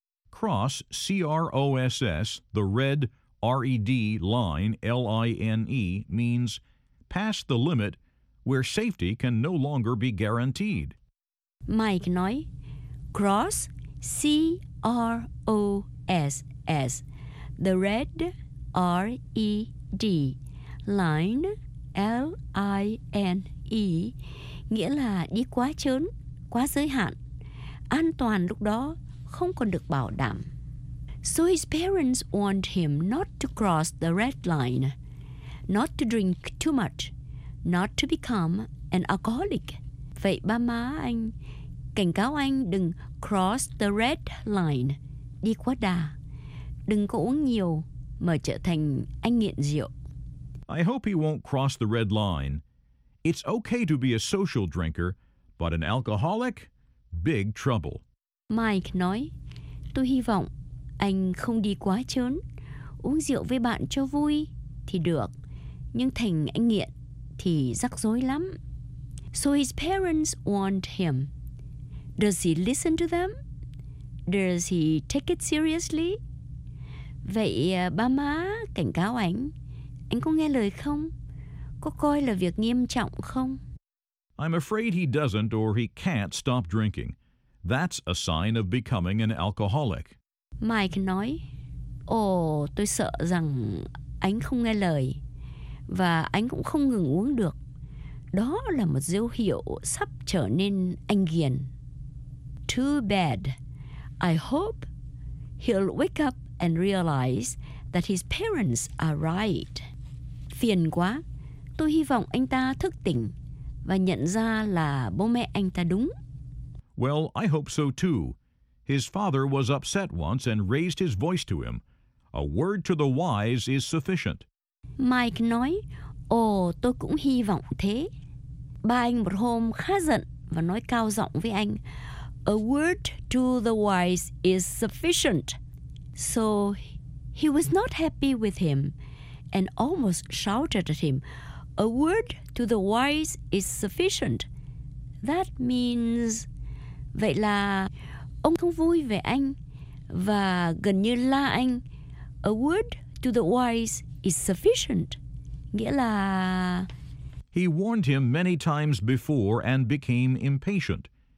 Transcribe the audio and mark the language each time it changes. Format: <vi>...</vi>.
<en>cross, C-R-O-S-S, the red, R-E-D, line, L-I-N-E, means past the limit where safety can no longer be guaranteed.</en> <vi>Mike nói,</vi> <en>cross, C-R-O-S-S, the red, R-E-D, line, L-I-N-E,</en> <vi>nghĩa là đi quá chớn, quá giới hạn. An toàn lúc đó không còn được bảo đảm.</vi> <en>So his parents warned him not to cross the red line, not to drink too much, not to become an alcoholic.</en> <vi>Vậy ba má anh cảnh cáo anh đừng</vi> <en>cross the red line,</en> <vi>đi quá đà. Đừng có uống nhiều mà trở thành anh nghiện rượu.</vi> <en>I hope he won't cross the red line. It's okay to be a social drinker, but an alcoholic? Big trouble.</en> <vi>Mike nói, tôi hy vọng anh không đi quá chớn. Uống rượu với bạn cho vui thì được, nhưng thành anh nghiện thì rắc rối lắm.</vi> <en>So his parents warned him. Does he listen to them? Does he take it seriously?</en> <vi>Vậy ba má cảnh cáo anh, anh có nghe lời không? Có coi là việc nghiêm trọng không?</vi> <en>I'm afraid he doesn't or he can't stop drinking. That's a sign of becoming an alcoholic.</en> <vi>Mike nói, tôi sợ rằng anh không nghe lời và anh cũng không ngừng uống được. Đó là một dấu hiệu sắp trở nên anh nghiện.</vi> <en>Too bad. I hope he'll wake up and realize that his parents are right.</en> <vi>Phiền quá. Tôi hy vọng anh ta thức tỉnh và nhận ra là bố mẹ anh ta đúng.</vi> <en>Well, I hope so too. His father was upset once and raised his voice to him. A word to the wise is sufficient.</en> <vi>Mike nói, tôi cũng hy vọng thế. Ba anh một hôm khá giận và nói cao giọng với anh,</vi> <en>a word to the wise is sufficient. So he was not happy with him and almost shouted at him, a word to the wise is sufficient. That means,</en> <vi>vậy là ông không vui về anh và gần như la anh,</vi> <en>a word to the wise is sufficient.</en> <vi>Nghĩa là...</vi> <en>He warned him many times before and became impatient.</en>